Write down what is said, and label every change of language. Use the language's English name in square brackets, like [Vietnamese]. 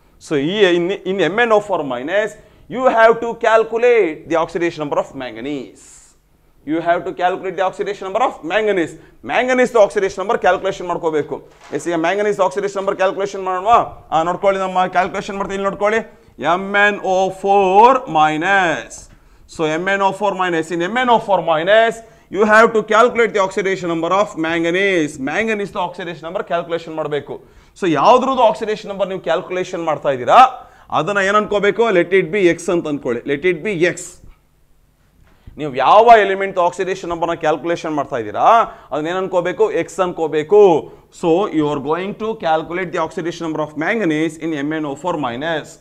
[English] So, in MnO4 minus you have to calculate the oxidation number of manganese. You have to calculate the oxidation number of manganese. Manganese oxidation number calculation [Kannada] ಮಾಡ್ಕೋಬೇಕು. S ಈ manganese oxidation number calculation ಮಾಡೋಣ. ನೋಡ್ಕೊಳ್ಳಿ ನಮ್ಮ calculation ಮಾಡ್ತೀವಿ. ಇಲ್ಲಿ ನೋಡ್ಕೊಳ್ಳಿ MnO4 minus. [English] So MnO4 minus. In MnO4 minus, you have to calculate the oxidation number of manganese. Manganese to oxidation number calculation [Kannada] ಮಾಡಬೇಕು. So ಯಾವುದ್ರದ್ದು oxidation number ನೀವು calculation ಮಾಡ್ತಾ ಇದ್ದೀರಾ ಅದನ್ನ ಏನನ್ಕೋಬೇಕು? [English] let it be X [Kannada] ಅಂತ ಅನ್ಕೊಳ್ಳಿ. Let it be X. ನೀವು ಯಾವ element oxidation ನಂಬರ್ನ ಕ್ಯಾಲ್ಕುಲೇಷನ್ ಮಾಡ್ತಾ ಇದ್ದೀರಾ ಅದನ್ನ ಏನನ್ಕೋಬೇಕು? X ಅನ್ಕೋಬೇಕು. [English] So you are going to calculate the oxidation number of manganese in MnO4 minus.